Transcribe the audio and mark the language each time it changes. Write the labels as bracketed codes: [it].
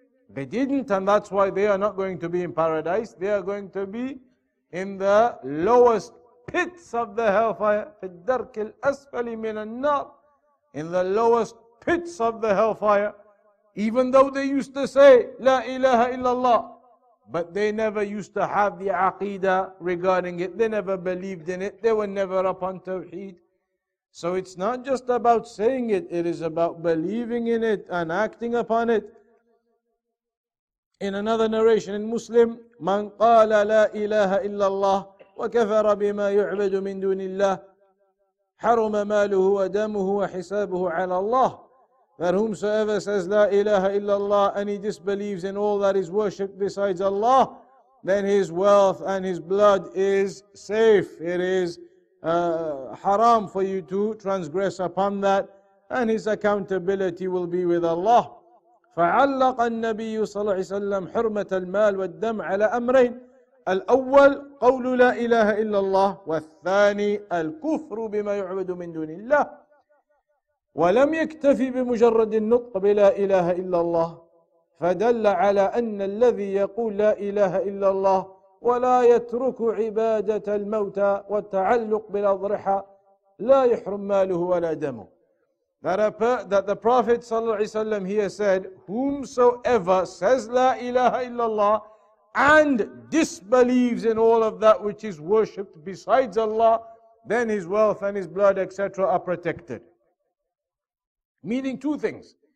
[en] They didn't, and that's why they are not going to be in paradise. They are going to be in the lowest pits of the hellfire, [ar] في الدرك الأسفل من النار, [en] in the lowest pits of the hellfire, even though they used to say [ar] لا إله إلا الله, [en] but they never used to have the aqidah regarding it. They never believed in it. They were never upon tawheed. So it's not just about saying it, it is about believing in it and acting upon it. In another narration in Muslim, [ar] من قال لا إله إلا الله وكفر بما يعبد من دون الله حرم ماله ودمه وحسابه على الله. [en] That whomsoever says [ar] لا إله إلا الله [en] and he disbelieves in all that is worshipped besides Allah, then his wealth and his blood is safe. It is haram for you to transgress upon that, and his accountability will be with Allah. [ar] فعلق النبي صلى الله عليه وسلم حرمة المال والدم على أمرين. الأول قول لا إله إلا الله والثاني الكفر بما يعبد من دون الله ولم يكتفي بمجرد النطق بلا إله إلا الله فدل على أن الذي يقول لا إله إلا الله ولا يترك عبادة الموتى والتعلق بالأضرحة لا يحرم ماله ولا دمه. [en] That the Prophet [ar] صلى الله عليه وسلم [en] here said, whomsoever says [ar] لا إله إلا الله [en] and disbelieves in all of that which is worshipped besides Allah, then his wealth and his blood, etc., are protected. Meaning two things.